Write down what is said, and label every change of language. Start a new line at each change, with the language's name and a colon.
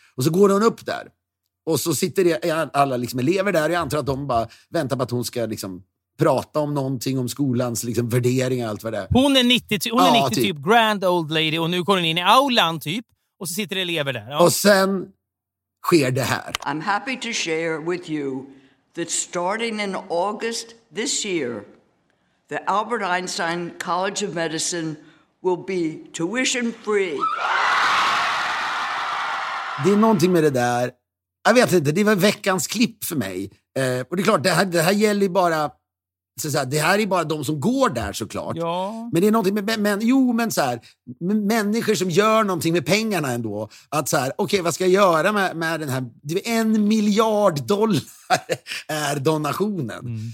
Swedish: Och så går hon upp där och så sitter det, alla liksom elever där, och jag antar att de bara väntar på att hon ska liksom prata om någonting, om skolans liksom värderingar och allt vad det är. Hon är 90, hon, ja, är 90 typ grand old lady, och nu går hon in i aulan typ och så sitter det elever där. Ja. Och sen sker det här.
English: I'm happy to share with you that starting in August this year, the Albert Einstein College of Medicine will be tuition free.
Swedish: Det är någonting med det där. Jag vet inte, det var veckans klipp för mig. Och det är klart, det här gäller bara så så här, det här är bara de som går där såklart. Ja. Men det är någonting med människor som gör någonting med pengarna ändå, att så här, okej, vad ska jag göra med den här, det är $1 miljard är donationen. Mm.